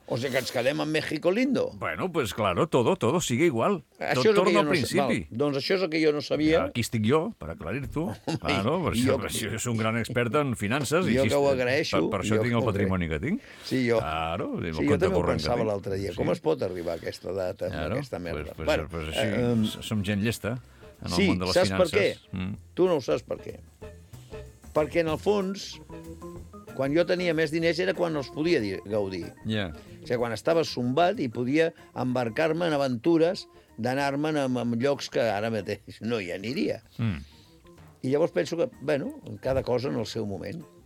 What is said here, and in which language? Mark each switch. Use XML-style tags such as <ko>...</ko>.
<ca>O sigui que ens quedem en México lindo.</ca> <es>Bueno, pues claro, todo, todo sigue igual.</es> <ca>Això tot torna al principi. No, doncs això és el que jo no sabia. Ja, aquí estic jo, per aclarir-t'ho. Claro, jo soc un gran expert en finances. Jo que ho agraeixo. Per això tinc el patrimoni que tinc. Sí, jo. Claro, sí, jo també ho pensava l'altre dia. Sí. Com es pot arribar a aquesta data, claro, aquesta merda? Pues, pues, bueno, pues així, som gent llesta. Sí, saps finances. Per què? Tu no ho saps per què. Perquè, en el fons, quan jo tenia més diners era quan els podia gaudir. Yeah. O sigui, quan estava sombat i podia embarcar-me en aventures d'anar-me'n en llocs que ara mateix no hi aniria. I llavors penso que, bueno, cada cosa en el seu moment.</ca>